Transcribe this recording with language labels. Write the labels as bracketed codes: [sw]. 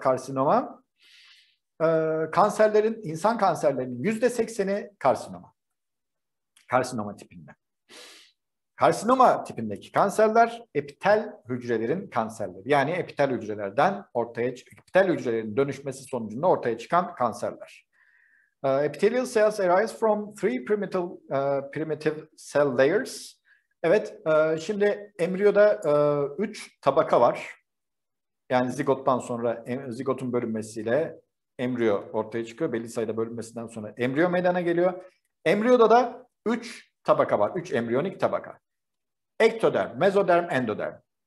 [tr] Karsinoma, kanserlerin, insan kanserlerinin %80'i karsinoma. Karsinoma tipinde. Karsinoma tipindeki kanserler epitel hücrelerin kanserleri. Yani epitel hücrelerden ortaya epitel hücrelerin dönüşmesi sonucunda ortaya çıkan kanserler. [en] Epithelial cells arise from three primitive cell layers. [tr] Evet, şimdi embriyoda 3 tabaka var. Yani zigottan sonra zigotun bölünmesiyle embriyo ortaya çıkıyor. Belli sayıda bölünmesinden sonra embriyo meydana geliyor. Embriyoda da 3 tabaka var. 3 embriyonik tabaka. Ektoderm, mezoderm, endoderm.